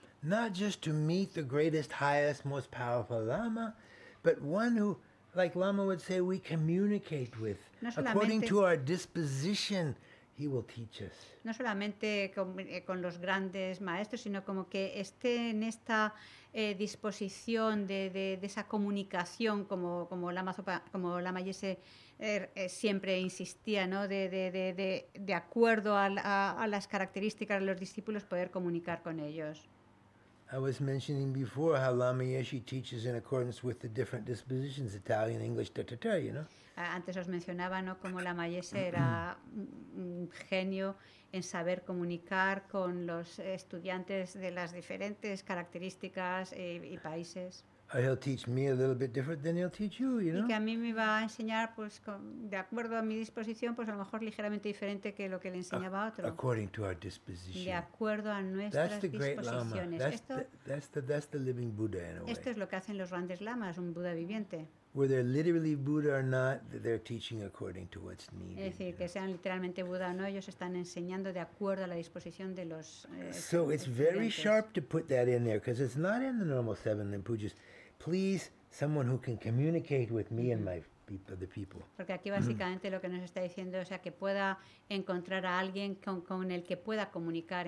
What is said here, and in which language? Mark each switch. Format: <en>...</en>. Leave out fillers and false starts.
<en>Not just to meet the greatest, highest, most powerful Lama, but one who, like Lama would say, we communicate with. No, according to our disposition, he will teach us.</en> <es>No solamente con los grandes maestros, sino como que esté en esta disposición de esa comunicación, como Lama Yese siempre insistía, ¿no? De acuerdo a las características de los discípulos, poder comunicar con ellos.</es> <en>I was mentioning before how Lama Yeshe teaches in accordance with the different dispositions, Italian, English, ta-ta-ta, you know?</en> <es>Antes os mencionaba, ¿no?, como Lama Yeshe era un genio en saber comunicar con los estudiantes de las diferentes características y países.</es> <en>He'll teach me a little bit different than he'll teach you, you know?</en> <es>Y que a mí me va a enseñar, pues, de acuerdo a mi disposición, pues a lo mejor ligeramente diferente que lo que le enseñaba a otro.</es> <en>According to our disposition.</en> <es>De acuerdo a nuestras disposiciones.</es> <en>That's the great Lama. That's the living Buddha, in a way.</en> <es>Esto es lo que hacen los grandes lamas, un Buda viviente.</es> <en>Whether they're literally Buddha or not, they're teaching according to what's needed.</en> <es>Es decir, que sean literalmente Buda o no, ellos están enseñando de acuerdo a la disposición de los</es> <en>So it's very sharp to put that in there, because it's not in the normal seven limpujas. Please, someone who can communicate with me and my the people.</en> <es>Porque aquí básicamente lo que nos está diciendo, o sea, que pueda encontrar a alguien con el que pueda comunicar.</es>